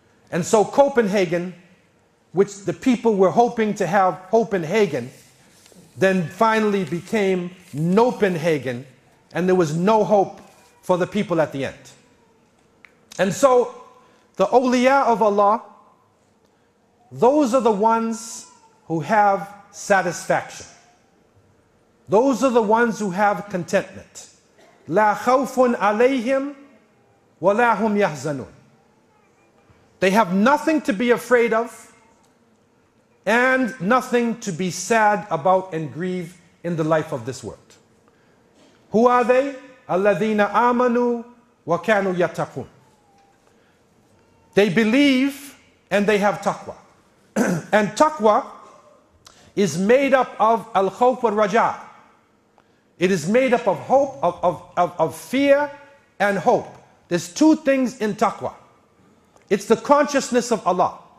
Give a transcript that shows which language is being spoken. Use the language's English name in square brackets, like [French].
[English] And so Copenhagen, which the people were hoping to have Copenhagen, then finally became Nopenhagen, and there was no hope for the people at the end. And so the awliya of Allah, those are the ones who have satisfaction. Those are the ones who have contentment. [Arabic] لا خوف عليهم ولا هم يحزنون. [English] They have nothing to be afraid of and nothing to be sad about and grieve in the life of this world. Who are they? [Arabic] الذين آمنوا وكانوا يتقون. [English] They believe and they have taqwa. And taqwa is made up of al-khawf wal-raja. It is made up of hope, of fear and hope. There's two things in taqwa. It's the consciousness of Allah.